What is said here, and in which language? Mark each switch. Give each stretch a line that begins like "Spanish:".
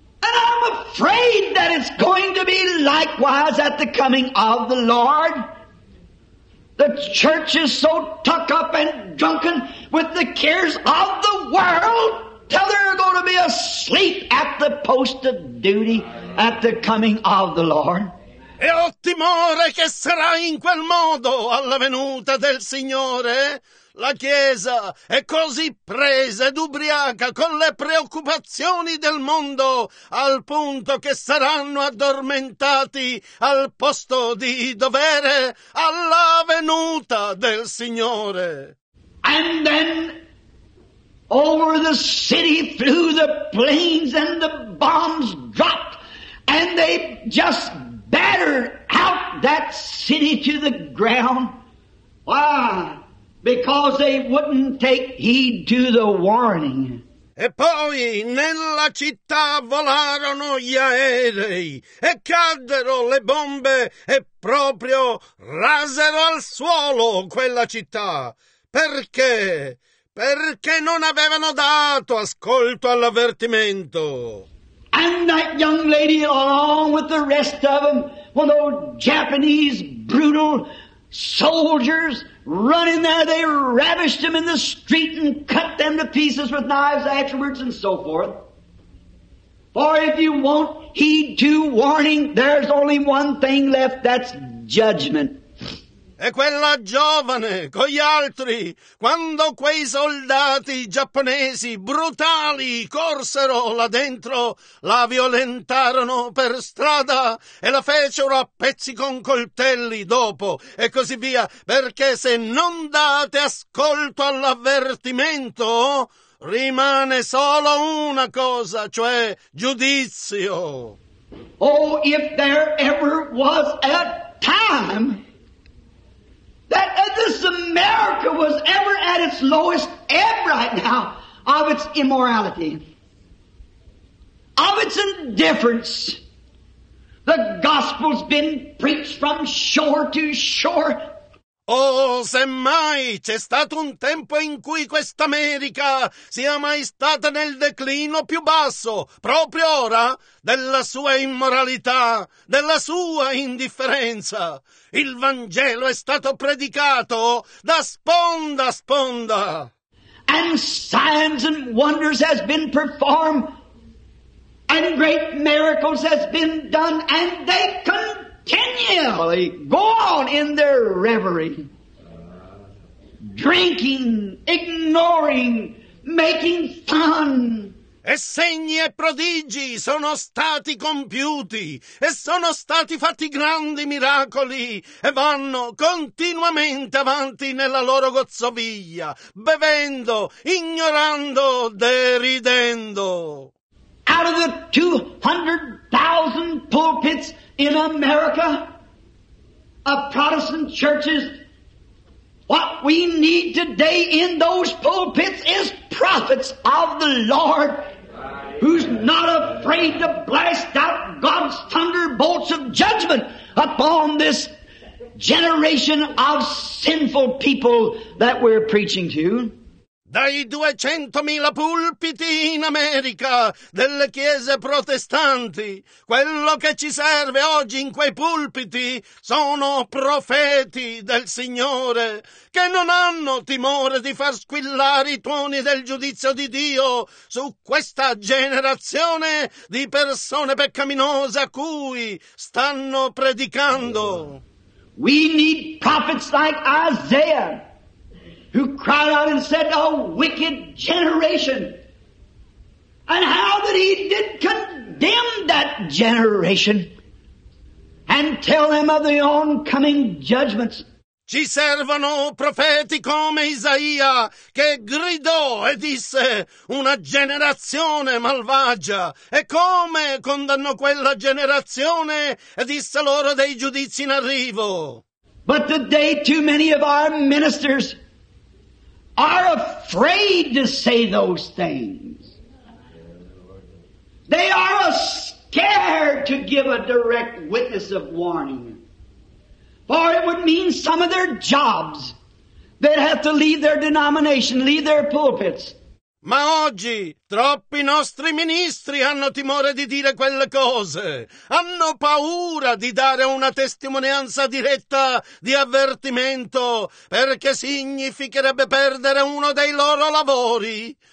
English: And I'm afraid that it's going to be likewise at the coming of the Lord. The church is so tucked up and drunken with the cares of the world till they're going to be asleep at the post of duty at the coming of the Lord.
Italian: E ho timore che sarà in quel modo alla venuta del Signore. La Chiesa è così presa ed ubriaca con le preoccupazioni del mondo al punto che saranno addormentati al posto di dovere alla venuta del Signore.
English: And then over the city flew the planes and the bombs dropped and they just battered out that city to the ground. Wow. Because they wouldn't take heed to the warning.
Italian: E poi nella città volarono gli aerei e caddero le bombe e proprio rasero al suolo quella città. Perché? Perché non avevano dato ascolto all'avvertimento.
English: And that young lady along with the rest of them, one of those Japanese brutal soldiers running there, they ravished them in the street and cut them to pieces with knives afterwards and so forth. For if you won't heed to warning, there's only one thing left, that's judgment.
Italian: E quella giovane con gli altri, quando quei soldati giapponesi brutali corsero là dentro, la violentarono per strada e la fecero a pezzi con coltelli dopo e così via, perché se non date ascolto all'avvertimento, rimane solo una cosa, cioè giudizio.
English: Oh, if there ever was a time that this America was ever at its lowest ebb right now of its immorality, of its indifference. The gospel's been preached from shore to shore.
Italian: Oh, semmai c'è stato un tempo in cui quest'America sia mai stata nel declino più basso, proprio ora, della sua immoralità, della sua indifferenza. Il Vangelo è stato predicato da sponda a sponda.
English: And signs and wonders has been performed, and great miracles has been done, and they continually go on in their reverie, drinking, ignoring, making fun.
Italian: E segni e prodigi sono stati compiuti, e sono stati fatti grandi miracoli, e vanno continuamente avanti nella loro gozzoviglia, bevendo, ignorando, deridendo.
English: Out of the 200,000 pulpits in America, of Protestant churches, what we need today in those pulpits is prophets of the Lord, who's not afraid to blast out God's thunderbolts of judgment upon this generation of sinful people that we're preaching to.
Italian: Dai 200,000 pulpiti in America, delle chiese protestanti, quello che ci serve oggi in quei pulpiti sono profeti del Signore, che non hanno timore di far squillare i tuoni del giudizio di Dio su questa generazione di persone peccaminose a cui stanno predicando.
English: We need prophets like Isaiah, who cried out and said, a wicked generation. And how that he did condemn that generation and tell them of the oncoming judgments.
Italian: Ci servono profeti come Isaia, che gridò e disse: una generazione malvagia. E come condannò quella generazione e disse loro dei giudizi in arrivo.
English: But today too many of our ministers are afraid to say those things. They are scared to give a direct witness of warning. For it would mean some of their jobs. They'd have to leave their denomination, leave their pulpits.
Italian: Ma oggi troppi nostri ministri hanno timore di dire quelle cose. Hanno paura di dare una testimonianza diretta di avvertimento, perché significherebbe perdere uno dei loro lavori.